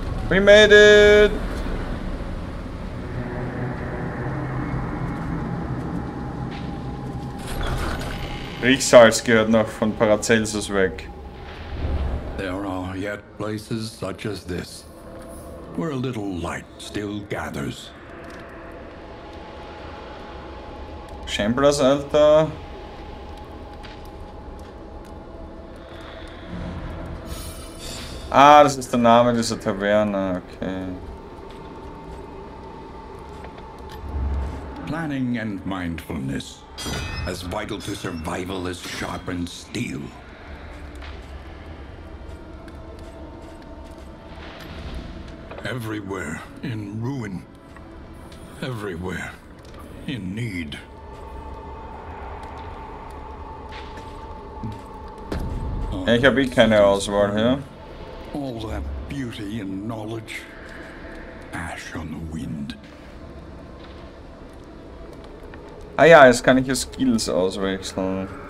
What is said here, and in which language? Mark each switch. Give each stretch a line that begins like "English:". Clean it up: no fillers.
English: We made it!
German: Riechsalz gehört noch von Paracelsus weg.
English: There are yet places such as this, where a little light still gathers.
German: Shamblers, Alter. Ah, das ist der Name dieser Taverne, okay.
English: Planning and mindfulness. As vital to survival as sharpened steel. Everywhere in ruin. Everywhere in need.
German: Ich habe keine Auswahl hier.
English: All that beauty and knowledge. Ash on the wind.
German: Ah ja, jetzt kann ich hier Skills auswechseln.